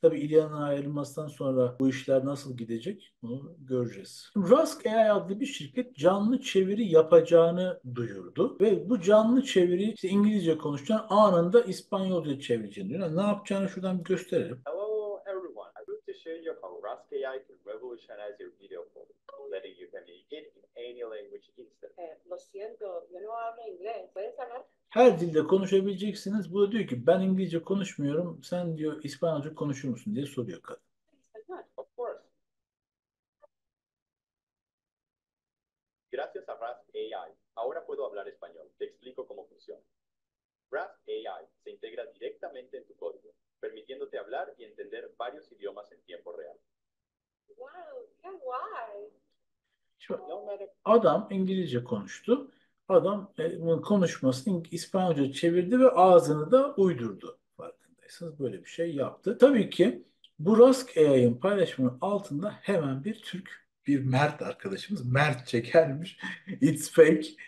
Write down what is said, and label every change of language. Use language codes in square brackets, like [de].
[tr] Tabii Ilya'nın ayrılmasından sonra bu işler nasıl gidecek bunu göreceğiz. Rask AI adlı bir şirket canlı çeviri yapacağını duyurdu ve bu canlı çeviri işte İngilizce konuşacağın anında İspanyolca çevireceğini duyuyor. Ne yapacağını şuradan bir gösterelim. [en] Hello everyone. I'd like to share you how Rask AI can revolutionize your video calling, letting you communicate in any language instantly. [es] Lo siento, yo no hablo inglés. ¿Puedes hablar? [tr] Her dilde konuşabileceksiniz. Bu da diyor ki ben İngilizce konuşmuyorum. Sen diyor İspanyolca konuşur musun diye soruyor kadın. [en] Of course. [es] Gracias a Rask AI. Ahora puedo hablar español. Te explico cómo funciona. Rask AI se integra directamente en tu código, permitiéndote hablar y entender varios idiomas en tiempo real. [en] Wow, [es] qué guay. [tr] Adam İngilizce konuştu. Adam konuşmasını İspanyolca çevirdi ve ağzını da uydurdu. Farkındaysanız böyle bir şey yaptı. Tabii ki bu Rask AI'ın paylaşımının altında hemen bir Türk, bir Mert arkadaşımız Mert çekermiş. [en] It's fake.